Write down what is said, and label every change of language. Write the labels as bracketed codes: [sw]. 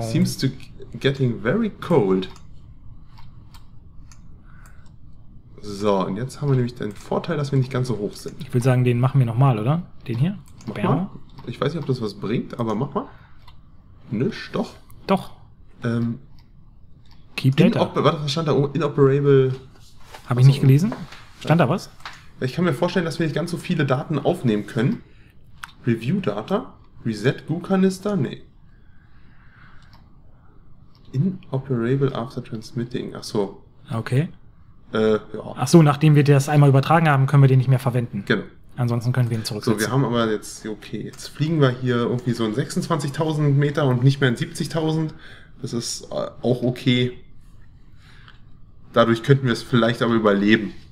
[en] Seems to getting very cold. [de] So, und jetzt haben wir nämlich den Vorteil, dass wir nicht ganz so hoch sind. Ich würde sagen, den machen wir nochmal, oder? Den hier? Mach mal. Ich weiß nicht, ob das was bringt, aber mach mal. Nisch, doch. Doch. [en] Keep Data. [de] Warte, was stand da? [en] Inoperable. [de] Habe ich nicht gelesen? Stand da was? Ich kann mir vorstellen, dass wir nicht ganz so viele Daten aufnehmen können. [en] Review Data. Reset Goo-Kanister? [de] Nee. [en] Inoperable after transmitting. [de] Achso. Okay. Ja. Achso, nachdem wir das einmal übertragen haben, können wir den nicht mehr verwenden. Genau. Ansonsten können wir ihn zurücksetzen. So, wir haben aber jetzt, okay, jetzt fliegen wir hier irgendwie so in 26.000 Meter und nicht mehr in 70.000. Das ist auch okay. Dadurch könnten wir es vielleicht aber überleben.